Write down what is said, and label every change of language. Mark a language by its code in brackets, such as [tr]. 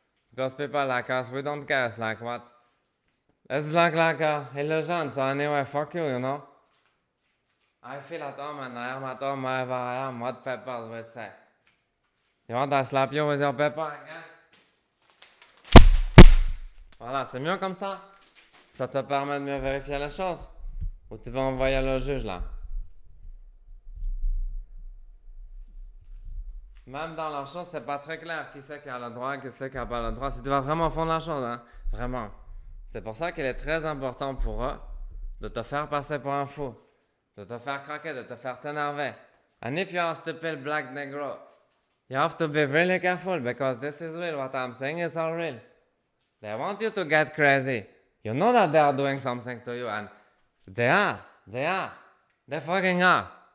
[en] Because people like us, we don't care, it's like what? It's like a illusion, so anyway, fuck you, you know? I feel at home and I am at home wherever I am, what peppers will say. You want I slap you with your pepper again? [fr] Voilà, c'est mieux comme ça. Ça te permet de mieux vérifier les choses. Ou tu vas envoyer le juge là. Même dans la chose, c'est pas très clair qui c'est qui a le droit, qui c'est qui a pas le droit. Si tu vas vraiment au fond de la chose, hein, vraiment. C'est pour ça qu'il est très important pour eux de te faire passer pour un fou, de te faire craquer, de te faire t'énerver. [en] And if you are a stupid black negro, you have to be really careful because this is real. What I'm saying is all real. They want you to get crazy. You know that they are doing something to you and they are, they are, they fucking are.